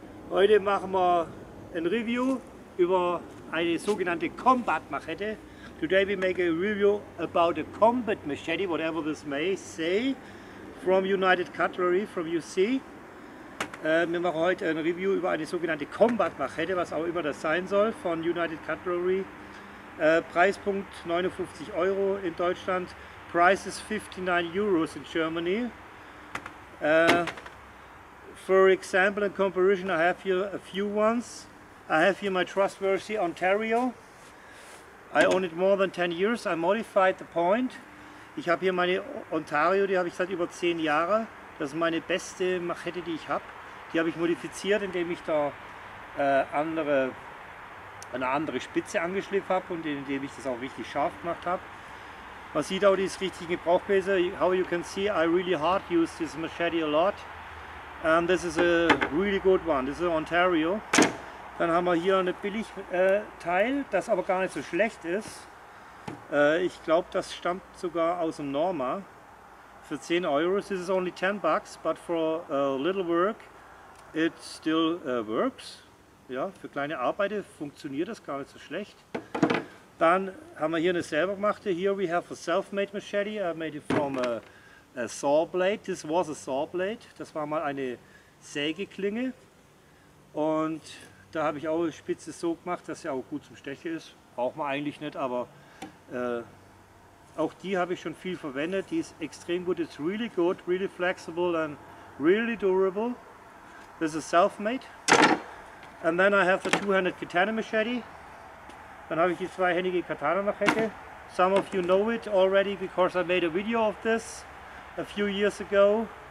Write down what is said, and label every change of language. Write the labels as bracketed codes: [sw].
[de] Heute machen wir ein Review über eine sogenannte Combat Machete. [en] Today we make a review about a combat machete, whatever this may say, from United Cutlery, from UC. [de] Wir machen heute ein Review über eine sogenannte Combat Machete, was auch immer das sein soll, von United Cutlery. Preispunkt 59 Euro in Deutschland. [en] Price is 59 Euros in Germany. For example, in comparison, I have here a few ones. I have here my trustworthy Ontario. I own it more than 10 years. I modified the point. [de] Ich habe hier meine Ontario, die habe ich seit über 10 Jahren. Das ist meine beste Machete, die ich habe. Die habe ich modifiziert, indem ich da eine andere Spitze angeschliffen habe und indem ich das auch richtig scharf gemacht habe. Man sieht auch, die ist richtig gebrauchbar. [en] How you can see, I really hard use this machete a lot. And this is a really good one. This is Ontario. [de] Dann haben wir hier ein Billigteil, das aber gar nicht so schlecht ist. Ich glaube, das stammt sogar aus dem Norma. Für 10 Euro. [en] This is only 10 bucks, but for a little work, it still works. [de] Ja, für kleine Arbeiten funktioniert das gar nicht so schlecht. Dann haben wir hier eine selber gemachte. [en] Here we have a self-made machete. I made it from a saw blade. This was a saw blade. [de] Das war mal eine Sägeklinge. Und da habe ich auch eine Spitze so gemacht, dass sie auch gut zum Stechen ist. Braucht man eigentlich nicht, aber auch die habe ich schon viel verwendet. Die ist extrem gut. [en] It's really good, really flexible and really durable. This is self-made. And then I have the two-handed katana machete. [de] Dann habe ich die zweihändige Katana-Machete. [en] Some of you know it already because I made a video of this a few years ago.